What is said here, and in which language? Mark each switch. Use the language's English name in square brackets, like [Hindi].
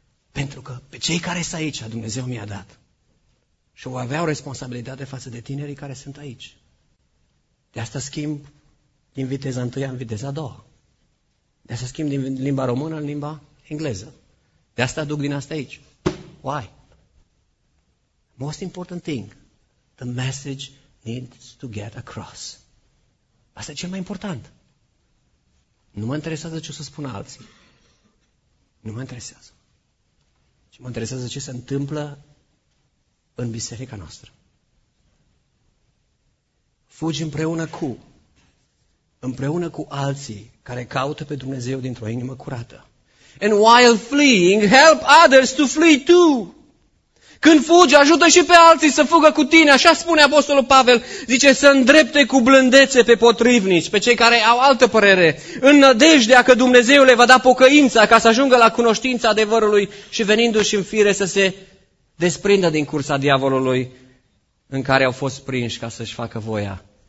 [Romanian] Pentru că pe cei care sunt aici, Dumnezeu mi-a dat. Și voi avea o responsabilitate față de tinerii care sunt aici. De asta schimb din viteza întâia în viteza a doua. De asta schimb din limba română în limba engleză. De asta aduc din asta aici. [English] Why? Most important thing, the message needs to get across. [Romanian] Asta e cel mai important. Nu mă interesează ce o să spună alții. Nu mă interesează. Ci mă interesează ce se întâmplă în biserica noastră. Fugi împreună cu alții care caută pe Dumnezeu dintr-o inimă curată. [English] And while fleeing, help others to flee too. [Romanian] Când fugi, ajută și pe alții să fugă cu tine. Așa spune Apostolul Pavel. Zice să îndrepte cu blândețe pe potrivnici, pe cei care au altă părere, în nădejdea că Dumnezeu le va da pocăința ca să ajungă la cunoștința adevărului și venindu-și în fire să se desprindă din cursa diavolului în care au fost prinși ca să-și facă voia.